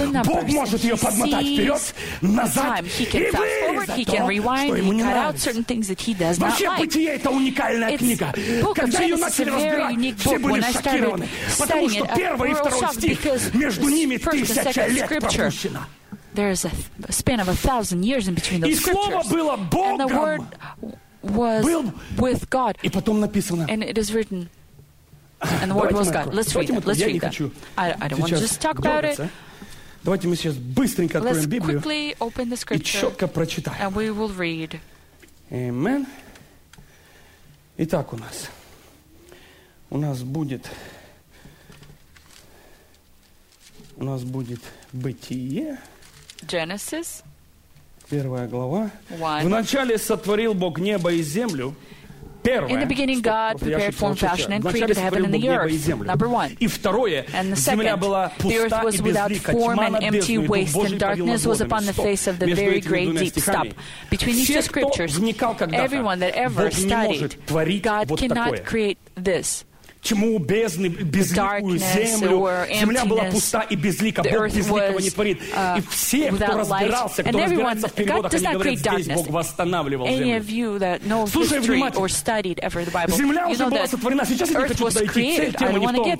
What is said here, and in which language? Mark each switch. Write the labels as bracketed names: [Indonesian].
[Russian] Бог может ее подмотать вперед, назад, и вырезать то, что ему не нравится. Вообще, «Бытие» — это уникальная книга. Когда ее начали разбирать, все были шокированы. Потому что первый и второй стих между ними тысяча лет пропущено. [English] There is a span of 1,000 years in between those scriptures. [Russian] И слово было Богом. [English] And the word was with God. [Russian] И потом написано. [English] And it is written. And the word was God. Let's read that. Let's read that. I don't want to just talk about it. [Russian] Давайте мы сейчас быстренько откроем Библию. [English] Let's quickly open the scripture. [Russian] И четко прочитаем. [English] And we will read. [Russian] Amen. Итак, у нас будет. У нас будет «Бытие», [English] Genesis. [Russian] Первая глава. Вначале сотворил Бог небо и землю. Первое. [English] In the beginning, God prepared form, fashion, and created heaven and the earth. Number one. [Russian] И второе. [English] And the second, the earth was without form and empty waste, and darkness was upon the face of the very great deep. Stop. Between these two scriptures, everyone that ever studied, God cannot create this. [Russian] Чему бездны, безликую землю. Земля была пуста и безлика. Бог безликого не творит. И все, кто разбирался, кто разбирается в переводах, они говорят, здесь Бог восстанавливал землю. Слушай внимательно. Земля уже была сотворена. Сейчас я не хочу туда идти. Цель тема не в том.